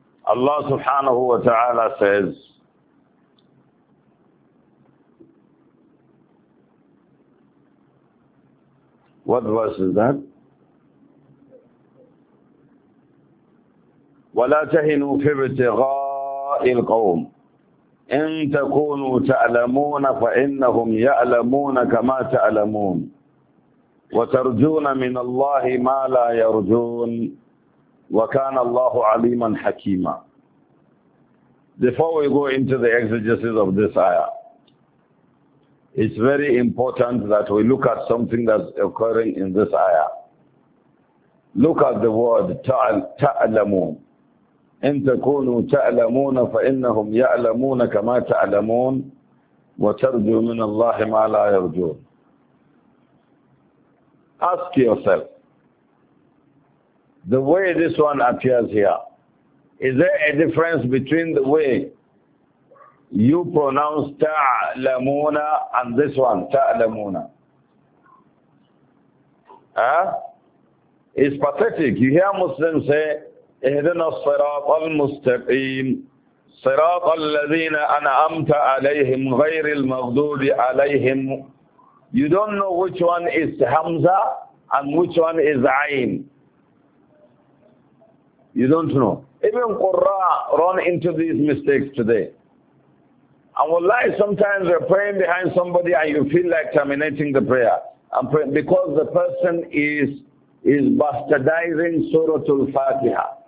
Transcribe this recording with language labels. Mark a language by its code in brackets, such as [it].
[ar] الله سبحانه وتعالى [en] says, what verse is that? [ar] ولا تهنوا في ابتغاء القوم. إن تكونوا تعلمون فإنهم يعلمون كما تعلمون وترجون من الله ما لا يرجون وكان الله عليما حكيما. [en] Before we go into the exegesis of this ayah, it's very important that we look at something that's occurring in this ayah. Look at the word تعلمون. [ar] إن تكونوا تعلمون فإنهم يعلمون كما تعلمون وترجو من الله ما لا يرجون. [en] Ask yourself, the way this one appears here, is there a difference between the way you pronounce تعلمون and this one تعلمون? Huh? It's pathetic. You hear Muslims say, [ar] اهدنا الصراط المستقيم صراط الذين أنعمت عليهم غير المغضوب عليهم. [en] You don't know which one is Hamza and which one is Ayn. You don't know. Even Qurra run into these mistakes today. And wallahi, sometimes you're praying behind somebody and you feel like terminating the prayer and pray because the person is bastardizing Surah Al-Fatiha.